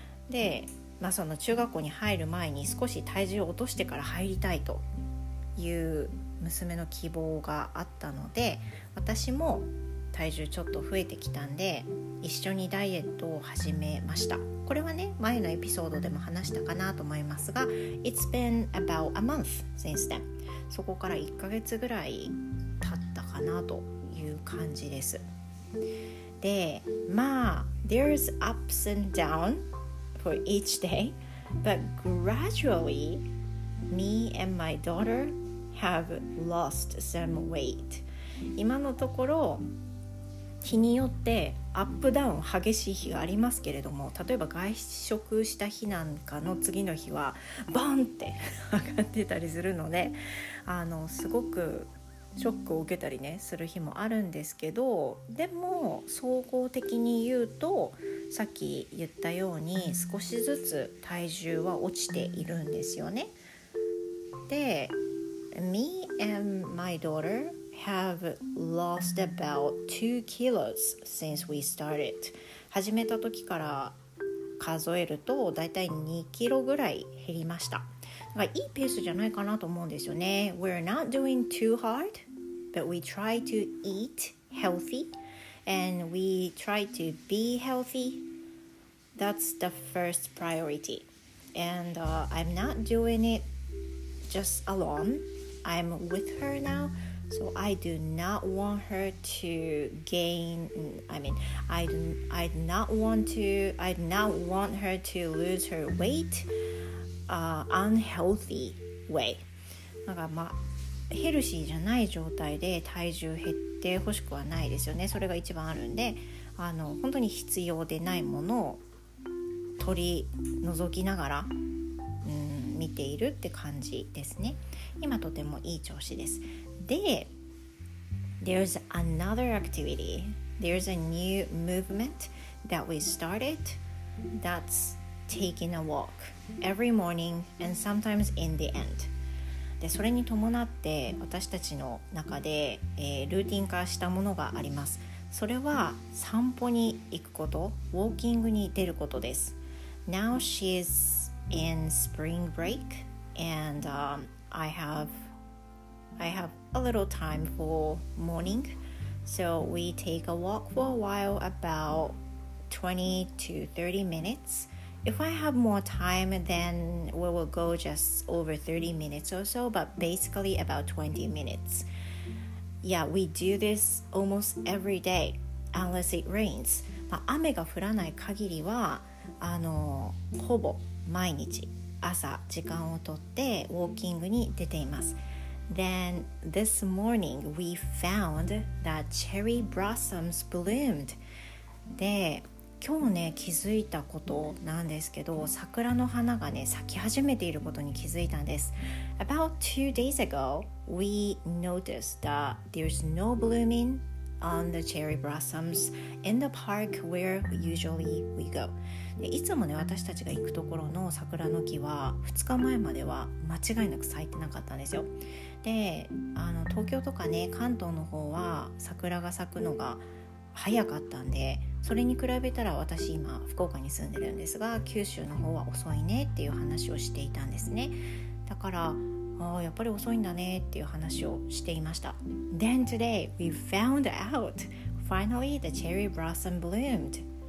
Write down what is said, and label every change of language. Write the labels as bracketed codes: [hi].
[ja] で、まあ、その中学校に入る前に少し体重を落としてから入りたいという娘の希望があったので、私も体重ちょっと増えてきたんで、一緒にダイエットを始めました。これはね、前のエピソードでも話したかなと思いますが、 [en] It's been about a month since then. [ja] そこから1ヶ月ぐらい経ったかなという感じです。で、まあ、 [en] There's ups and down for each day, but gradually, me and my daughter have lost some weight. [ja] 今のところ、日によってアップダウン激しい日がありますけれども、例えば外食した日なんかの次の日はバンって上がってたりするので、すごくショックを受けたりね、する日もあるんですけど、でも総合的に言うと、さっき言ったように少しずつ体重は落ちているんですよね。で、 [en] Me and my daughterhave lost about 2 kilos since we started. [ja] 始めた時から数えるとだいたい2キロぐらい減りました。だからいいペースじゃないかなと思うんですよね。 [en] We're not doing too hard, but we try to eat healthy and we try to be healthy. That's the first priority. And I'm not doing it just alone. I'm with her nowSo I do not want her to gain. I mean, I do not want her to lose her weight, unhealthy way. [ja] なんかまあヘルシーじゃない状態で体重減ってほしくはないですよね。それが一番あるんで、本当に必要でないものを取り除きながら、見ているって感じですね。今とてもいい調子です。で、 [en] There's another activity. There's a new movement that we started. That's taking a walk every morning and sometimes in the end. [ja] で、それに伴って私たちの中で、ルーティン化したものがあります。それは散歩に行くこと、ウォーキングに出ることです。 [en] Now she's in spring break and I have a little time for morning, so we take a walk for a while, about 20 to 30 minutes If I have more time, then we will go just over 30 minutes or so, but basically about 20 minutes. Yeah, we do this almost every day, unless it rains. [ja] まあ、雨が降らない限りは、ほぼ毎日朝時間をとってウォーキングに出ています。 [en] Then this morning we found that cherry blossoms bloomed. [ja] で、今日ね気づいたことなんですけど、桜の花がね咲き始めていることに気づいたんです。 [en] About 2 days ago, we noticed that there's no blooming on the cherry blossoms in the park where usually we go. [ja] で、いつもね私たちが行くところの桜の木は2日前までは間違いなく咲いてなかったんですよ。で、東京とかね関東の方は桜が咲くのが早かったんで、それに比べたら私今福岡に住んでるんですが、九州の方は遅いねっていう話をしていたんですね。だから、あ、やっぱり遅いんだねっていう話をしていました。 [en] Then today we found out finally the cherry blossom bloomed.